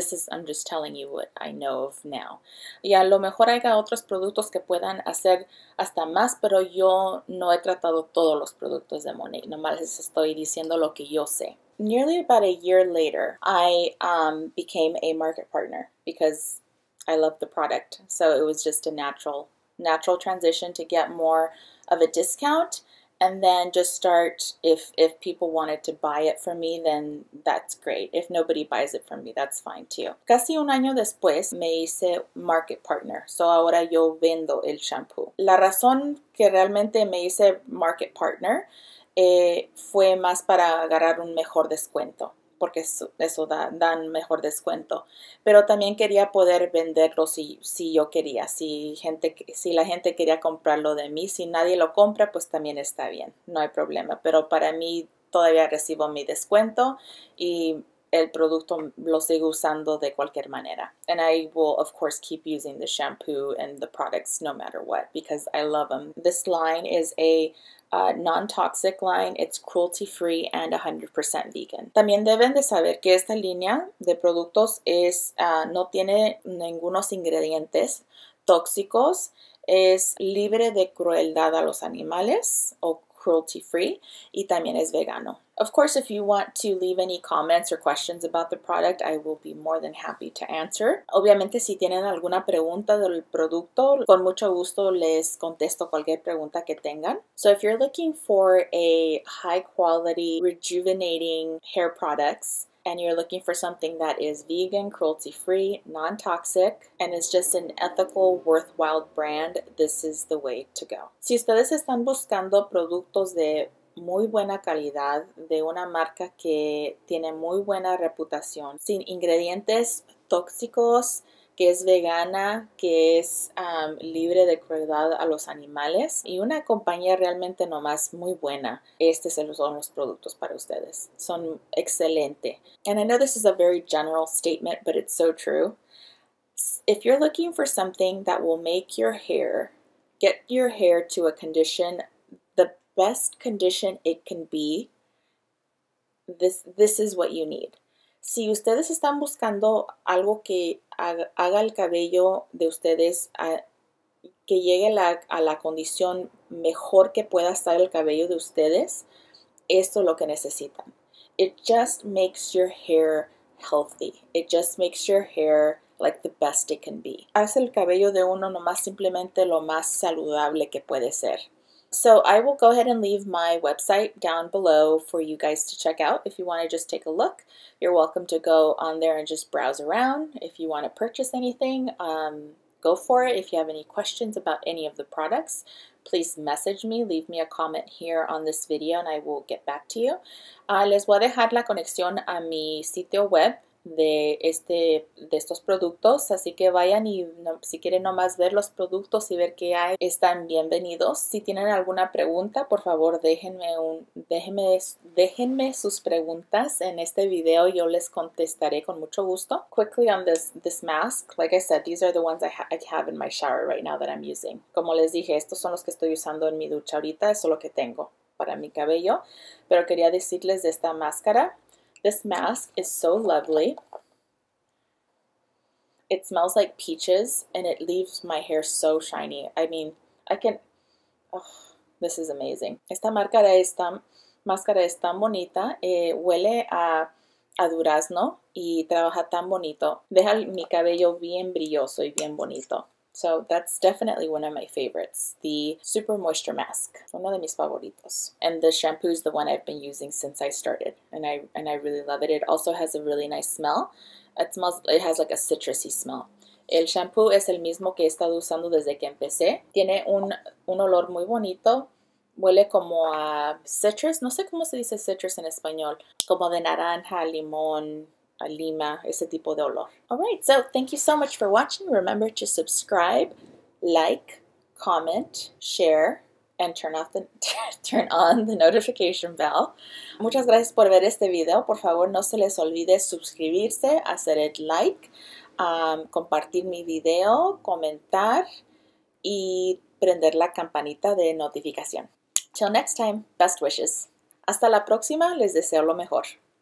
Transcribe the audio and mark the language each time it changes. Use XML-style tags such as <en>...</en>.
<en>I'm just telling you what I know of now.</en> <es>Y a lo mejor haya otros productos que puedan hacer hasta más, pero yo no he tratado todos los productos de Monet. Nomás les estoy diciendo lo que yo sé.</es> <en>Nearly about a year later, I became a market partner because I love the product. So it was just a natural transition to get more of a discount. And then just start if people wanted to buy it from me, then that's great. If nobody buys it from me, that's fine too.</en> <es>Casi un año después me hice market partner. So ahora yo vendo el shampoo. La razón que realmente me hice market partner fue más para agarrar un mejor descuento, porque eso dan mejor descuento. Pero también quería poder venderlo si yo quería, si la gente quería comprarlo de mí. Si nadie lo compra, pues también está bien, no hay problema. Pero para mí todavía recibo mi descuento y el producto lo sigo usando de cualquier manera.</es> <en>And I will, of course, keep using the shampoo and the products no matter what because I love them. This line is a non-toxic line, it's cruelty-free and 100% vegan.</en> <es>También deben de saber que esta línea de productos no tiene ningunos ingredientes tóxicos, es libre de crueldad a los animales o cruelty-free y también es vegano.</es> <en>Of course, if you want to leave any comments or questions about the product, I will be more than happy to answer.</en> <es>Obviamente, si tienen alguna pregunta del producto, con mucho gusto les contesto cualquier pregunta que tengan.</es> <en>So if you're looking for a high-quality, rejuvenating hair products, and you're looking for something that is vegan, cruelty-free, non-toxic, and is just an ethical, worthwhile brand, this is the way to go.</en> <es>Si ustedes están buscando productos de muy buena calidad de una marca que tiene muy buena reputación, sin ingredientes tóxicos, que es vegana, que es libre de crueldad a los animales y una compañía realmente nomás muy buena. Estos son los productos para ustedes. Son excelente.</es> <en>And I know this is a very general statement, but it's so true. If you're looking for something that will make your hair, get your hair to a condition, the best condition it can be, this is what you need.</en> <es>Si ustedes están buscando algo que haga el cabello de ustedes que llegue a la condición mejor que pueda estar el cabello de ustedes, esto es lo que necesitan.</es> <en>It just makes your hair healthy. It just makes your hair like the best it can be.</en> <es>Hace el cabello de uno nomás simplemente lo más saludable que puede ser.</es> <en>So I will go ahead and leave my website down below for you guys to check out. If you want to just take a look, you're welcome to go on there and just browse around. If you want to purchase anything, go for it. If you have any questions about any of the products, please message me. Leave me a comment here on this video and I will get back to you.</en> <es>Les voy a dejar la conexión a mi sitio web de estos productos. Así que vayan y no, si quieren nomás ver los productos y ver qué hay, están bienvenidos. Si tienen alguna pregunta, por favor déjenme sus preguntas en este video. Yo les contestaré con mucho gusto.</es> <en>Quickly on this mask, like I said, these are the ones I have in my shower right now that I'm using.</en> <es>Como les dije, estos son los que estoy usando en mi ducha ahorita. Eso es lo que tengo para mi cabello. Pero quería decirles de esta máscara.</es> <en>This mask is so lovely. It smells like peaches and it leaves my hair so shiny. I mean, oh, this is amazing.</en> <es>Esta máscara es tan bonita. Huele a durazno y trabaja tan bonito. Deja mi cabello bien brilloso y bien bonito.</es> <en>So that's definitely one of my favorites, the Super Moisture Mask.</en> <es>Uno de mis favoritos.</es> <en>And the shampoo is the one I've been using since I started. And I really love it. It also has a really nice smell. It has like a citrusy smell.</en> <es>El shampoo es el mismo que he estado usando desde que empecé. Tiene un olor muy bonito. Huele como a citrus. No sé cómo se dice citrus en español. Como de naranja, limón. A lima, ese tipo de olor.</es> <en>Alright, so thank you so much for watching. Remember to subscribe, like, comment, share, and turn on the notification bell.</en> <es>Muchas gracias por ver este video. Por favor, no se les olvide suscribirse, hacer el like, compartir mi video, comentar, y prender la campanita de notificación.</es> <en>Till next time, best wishes.</en> <es>Hasta la próxima, les deseo lo mejor.</es>